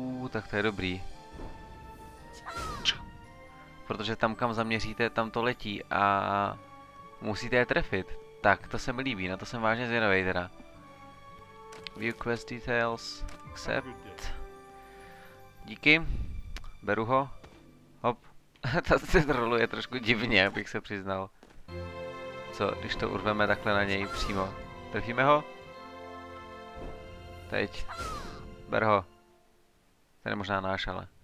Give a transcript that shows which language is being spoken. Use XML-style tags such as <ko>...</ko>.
<cs>Tak to je dobrý. Protože tam, kam zaměříte, tam to letí a musíte je trefit. Tak, to se mi líbí, na to jsem vážně zvědavý teda.</cs> <en>View quest details, accept.</en> <cs>Díky, beru ho. Hop, ta se roluje trošku divně, abych se přiznal. Co, když to urveme takhle na něj přímo. Trfíme ho? Teď. Ber ho. Ten je možná náš, ale.</cs>